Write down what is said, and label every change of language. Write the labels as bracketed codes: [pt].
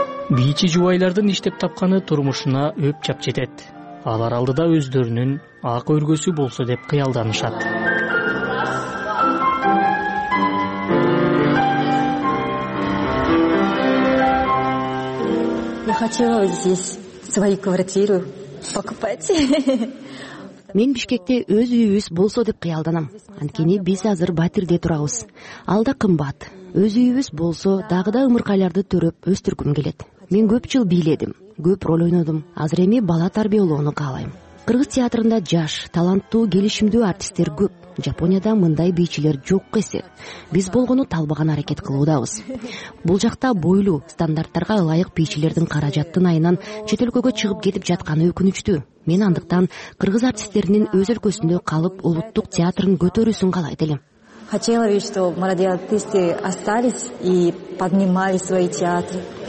[ky] Бийчи жубайлардын иштеп тапканы турмушуна өп чап жетет. Алар алдыда өздөрүнүн ак өргөсү болсо деп кыялданышат. [ru] Я хотела здесь свою квартиру покупать. [ky] Мен Бишкекте өз үйүбүз болсо деп кыялданам. Анткени биз азыр Батирде турабыз. Ал да кымбат. Өз үйүбүз болсо дагы да ымыркайларды төрөп өстүргүм келет. Мен көп жыл бийледим, көп роль ойнодум. Азыр эми бала тарбиялоону каалайм. Кыргыз театрында жаш, таланттуу, келишимдүү артисттер көп. Жапонияда мындай бийчилер жок эсе. Биз болгону талбаган аракет кылуудабыз. Бул жакта бойлуу, стандарттарга ылайык бийчилердин каражаттын айынан чет өлкөгө чыгып кетип жатканы өкүнүчтүү. Мен андыктан кыргыз артисттеринин өз өлкөсүндө калып, улуттук театрын көтөрүүсүн каалайт элем. [ru] Хотела бы, чтобы молодые артисты остались и поднимали свои театры.